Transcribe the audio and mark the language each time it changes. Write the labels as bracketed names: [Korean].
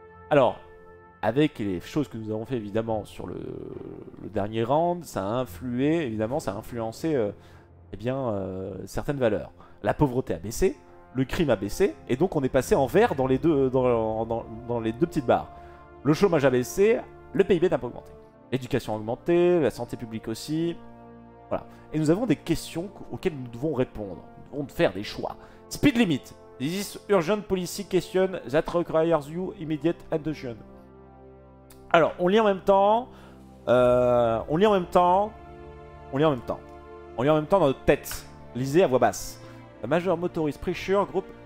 [French] Alors, avec les choses que nous avons fait, évidemment, sur le dernier round, ça a influé, évidemment, ça a influencé, certaines valeurs. La pauvreté a baissé. Le crime a baissé, et donc on est passé en vert dans les deux petites barres. Le chômage a baissé, le PIB n'a pas augmenté. L'éducation a augmenté, la santé publique aussi. Voilà. Et nous avons des questions auxquelles nous devons répondre. Nous devons faire des choix. [English] Speed limit. This urgent policy question that requires you immediate attention. [French] Alors, on lit en même temps dans notre tête. Lisez à voix basse. [English] Major Motorist Pressure Group.